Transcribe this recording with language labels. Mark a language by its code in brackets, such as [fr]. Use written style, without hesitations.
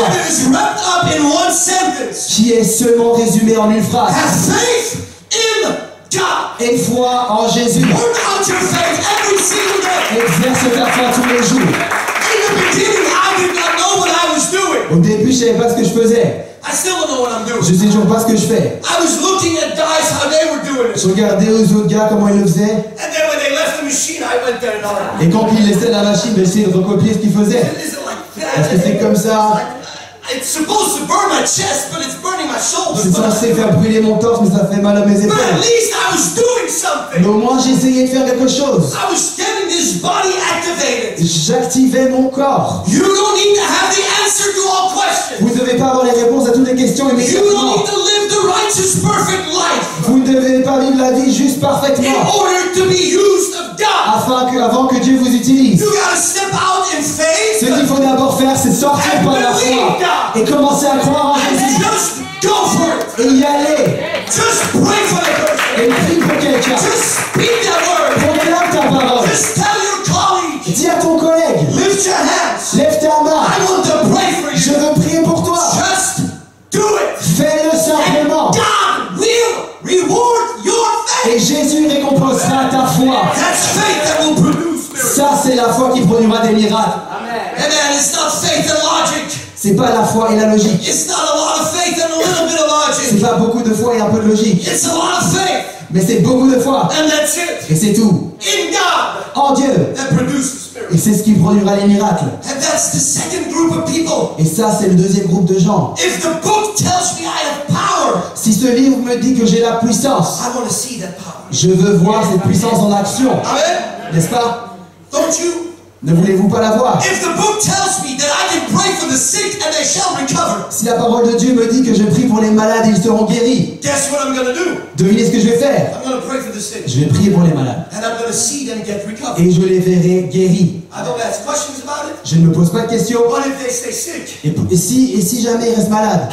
[en] And it is wrapped up in one sentence. [fr] Qui est seulement résumé en une phrase. [en] Have faith in God. [fr] Et foi en Jésus. [en] Work out your faith every single day. [fr] Exerce ta foi tous les jours. [en] In the beginning, I did not know what I was doing. [fr] Au début, je savais pas ce que je faisais. [en] I still don't know what I'm doing. [fr] Je sais toujours pas ce que je fais. [en] I was looking at guys how they were doing it. [fr] Je regardais les autres gars comment ils le faisaient. [en] And then when they left the machine, I went there and [fr] Et quand ils laissaient la machine, j'essayais de recopier ce qu'ils faisaient. Est-ce que c'est comme ça? [en] It's supposed to burn my chest, but it's burning my shoulders. [fr] C'est censé faire brûler mon torse, mais ça fait mal à mes épaules. [en] But at least I was doing something. [fr] Mais au moins j'essayais de faire quelque chose. [en] I was getting this body activated. [fr] J'activais mon corps. [en] You don't need to have the answer to all questions. [fr] Vous ne devez pas avoir les réponses à toutes les questions immédiatement. [en] You don't need to live the righteous perfect life. [fr] Vous ne devez pas vivre la vie juste parfaitement. [en] In order to be used of God. [fr] Avant que Dieu vous utilise. [en] You gotta step out in faith. [fr] Ce qu'il faut d'abord faire, c'est sortir par la foi. Et commencer à croire en Jésus. [en] Just go for it. [fr] Et y aller. [en] Just pray for the person. [fr] Et prie pour quelqu'un. [en] Just speak that word. [fr] Proclame ta parole. [en] Just tell your colleague. [fr] Dis à ton collègue. [en] Lift your hands. [fr] Lève ta main. [en] I want to pray for you. [fr] Je veux prier pour toi. [en] Just do it. [fr] Fais-le simplement. [en] And God will reward your faith. [fr] Et Jésus récompensera ta foi. [en] That's faith that will produce miracles. [fr] Ça, c'est la foi qui produira des miracles. [en] Amen. Amen. It's not faith and logic. [fr] C'est pas la foi et la logique. [en] It's not a lot of faith and a little bit of logic. [fr] C'est pas beaucoup de foi et un peu de logique. [en] It's a lot of faith. [fr] Mais c'est beaucoup de foi. [en] And that's it. [fr] Et c'est tout. [en] In God. [fr] En Dieu. [en] That produces miracles. [fr] Et c'est ce qui produira les miracles. [en] And that's the second group of people. [fr] Et ça, c'est le deuxième groupe de gens. [en] If the book tells me I have power. [fr] Si ce livre me dit que j'ai la puissance. [en] I want to see that power. [fr] Je veux voir cette puissance en action. [en] Amen. [fr] N'est-ce pas? [en] Don't you? [fr] Ne voulez-vous pas la voir? [en] If the book tells me that I can pray for the sick and they shall recover. [fr] Si la parole de Dieu me dit que je prie pour les malades et ils seront guéris. [en] Guess what I'm gonna do? [fr] Devinez ce que je vais faire. [en] I'm gonna pray for the sick. [fr] Je vais prier pour les malades. [en] And I'm gonna see them get recovered. [fr] Et je les verrai guéris. [en] I don't ask questions about it. [fr] Je ne me pose pas de questions. [en] What if they stay sick? [fr] Et si jamais ils restent malades?